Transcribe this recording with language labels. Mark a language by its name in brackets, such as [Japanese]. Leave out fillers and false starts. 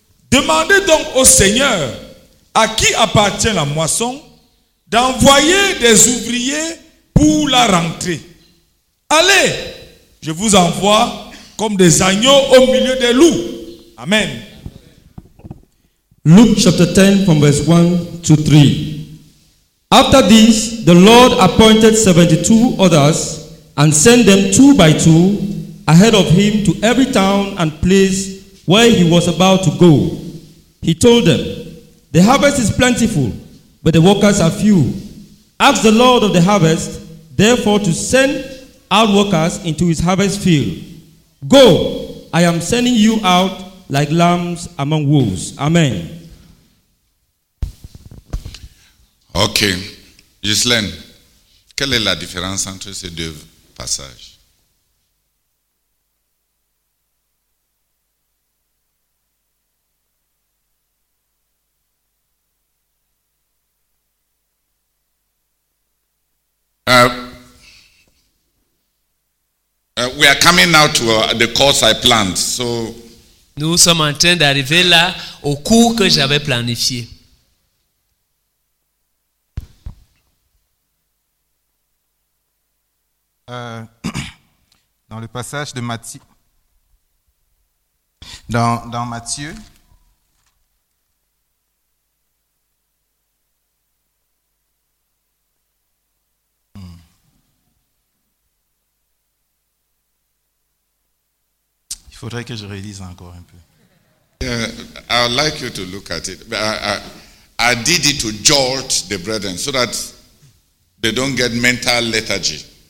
[French] Demandez donc au Seigneur, à qui appartient la moisson, d'envoyer des ouvriers pour la rentrée. Allez, je vous envoie comme des agneaux au milieu des loups. » Amen. [English] Luke chapter 10 from verse 1 to 3. After this, the Lord appointed 72 others and sent them two by two ahead of him to every town and place where he was about to go. He told them, "The harvest is plentiful, but the workers are few. Ask the Lord of the harvest, therefore, to send out workers into his harvest field. Go, I am sending you out like lambs among wolves." Amen. Okay. [French] Ghislaine, quelle est la différence entre ces deux passages? [English] We are coming now to the course I planned. So, [French] nous sommes en train d'arriver là au cours que j'avais planifié. Dans le passage de Matthieu, dans Matthieu, il faudrait que je relise encore un peu. [English] Yeah, I would like you to look at it. I did it to jolt the brethren so that they don't get mental lethargy.